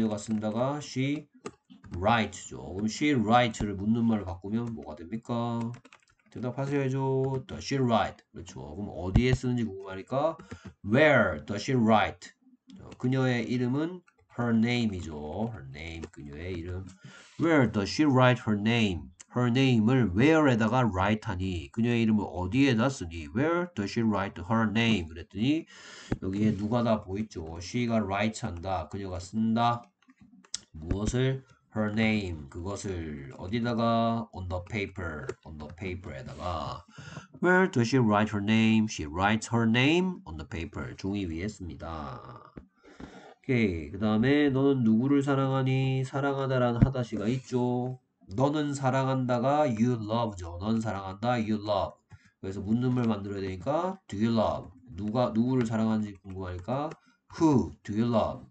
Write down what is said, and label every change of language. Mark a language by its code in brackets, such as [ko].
[ko] 그녀가 쓴다가 [en] she write [ko] 죠. 그럼 she write를 묻는 말을 바꾸면 뭐가 됩니까? 대답하셔야죠. [en] Does she write? [ko] 그렇죠. 그럼 어디에 쓰는지 궁금하니까 [en] Where does she write? [ko] 그녀의 이름은 [en] her name [ko] 이죠. [en] Her name, [ko] 그녀의 이름. [en] Where does she write her name? Her name [ko] 을 where에다가 write하니 그녀의 이름을 어디에다 쓰니? [en] Where does she write her name? [ko] 그랬더니 여기에 누가 다 보이죠? She가 write한다. 그녀가 쓴다. 무엇을? [en] Her name, [ko] 그것을 어디다가? [en] On the paper, on the paper에다가. Where does she write her name? She writes her name on the paper. [ko] 종이 위에 씁니다. 오케이. 그 다음에 너는 누구를 사랑하니? 사랑하다라는 하다시가 있죠. 너는 사랑한다가 [en] you love [ko] 죠. 넌 사랑한다, you love. 그래서 묻는말 만들어야 되니까 [en] do you love? [ko] 누가 누구를 사랑하는지 궁금하니까 [en] who do you love?